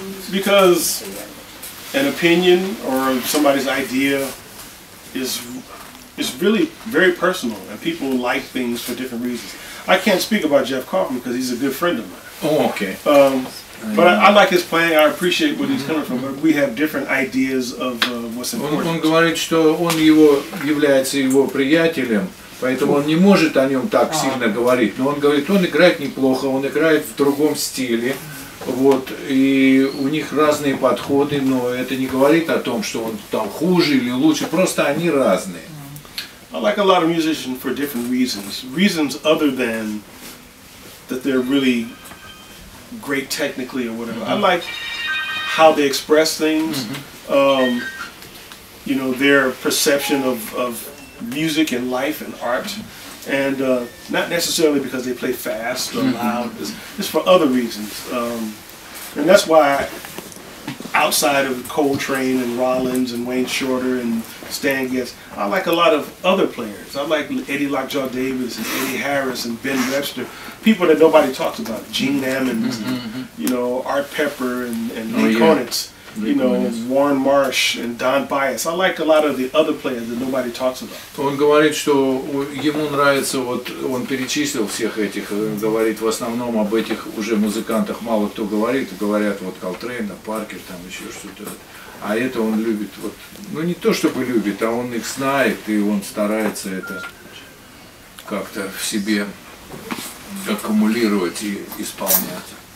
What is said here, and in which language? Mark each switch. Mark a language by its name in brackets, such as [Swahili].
[English] Because an opinion or somebody's idea is really very personal and people like things for different reasons. I can't speak about Jeff Kaufman because he's a good friend of mine. But I like his playing, I appreciate where he's coming from, but we have different ideas of what's important. [Russian] Он говорит, что он является его приятелем. Поэтому он не может о нем так сильно говорить, но он говорит, он играет неплохо, он играет в другом стиле, вот, и у них разные подходы, но это не говорит о том, что он там хуже или лучше, просто они разные. [English] I like a lot of musicians for different reasons. Reasons other than that they're really great technically or whatever. I like how they express things, you know, their perception of music and life and art, and not necessarily because they play fast or loud, it's for other reasons. And that's why outside of Coltrane and Rollins and Wayne Shorter and Stan Getz, I like a lot of other players. I like Eddie Lockjaw Davis and Eddie Harris and Ben Webster, people that nobody talks about, Gene Ammons, and, you know, Art Pepper and Lee Konitz. you know, Warren Marsh and Don Bias. I like a lot of the other players that nobody talks about. [Russian] Он говорит, что ему нравится, вот он перечислил всех этих, говорит в основном об этих уже музыкантах, мало кто говорит, говорят вот Колтрейна, Паркер, там еще что-то. А это он любит, вот, ну не то чтобы любит, а он их знает, и он старается это как-то в себе аккумулировать и исполнять.